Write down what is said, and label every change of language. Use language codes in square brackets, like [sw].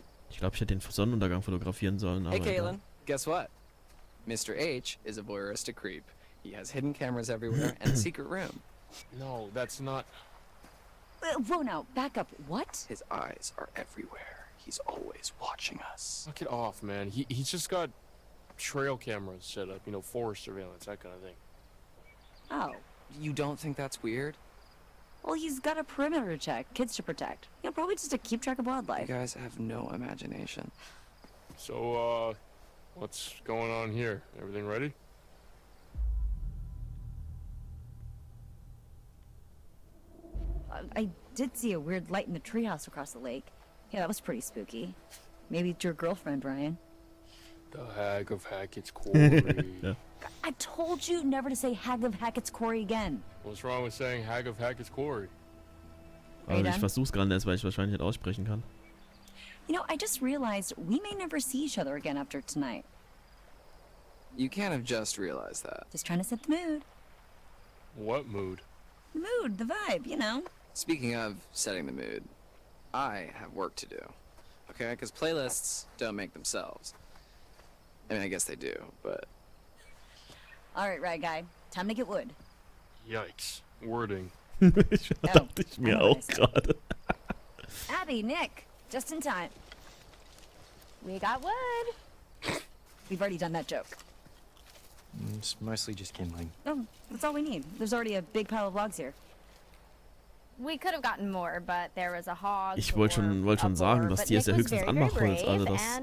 [de] Ich glaube, ich hätte den Sonnenuntergang fotografieren sollen. Aber [en] hey, Caitlin. Guess what? Mr. H is a voyeuristic creep. He has hidden cameras everywhere and a secret room. No, that's not. Whoa, now, back up. What? His eyes are everywhere. He's always watching us. Fuck it off, man. He's just got trail cameras set up, you know, forest surveillance, that kind of thing. Oh. You don't think that's weird? Well, he's got a perimeter to check, kids to protect. You know, probably just to keep track of wildlife. You guys have no imagination. So, what's going on here? Everything ready? I did see a weird light in the treehouse across the lake. Yeah, that was pretty spooky. Maybe it's your girlfriend, Brian. The Hag of Hackett's Quarry. Yeah. I told you never to say Hag of Hackett's Quarry again. What's wrong with saying Hag of Hackett's Quarry? [de] Also, ich versuch's gerade erst, weil ich wahrscheinlich nicht aussprechen kann. [en] You know, I just realized we may never see each other again after tonight. You can't have just realized that. Just trying to set the mood. What mood? The mood, the vibe, you know. Speaking of setting the mood, I have work to do. Okay, because playlists don't make themselves. I mean, I guess they do, but... All right, right guy. Time to get wood. Yikes. Wording. Oh, God. Abby, Nick, just in time. We got wood. We've already done that joke. It's mostly just kindling. Oh, that's all we need. There's already a big pile of logs here. We could have gotten more, but there was a hog. [de] Ich wollte schon, sagen, dass die es ja höchstens anmachen als alle das.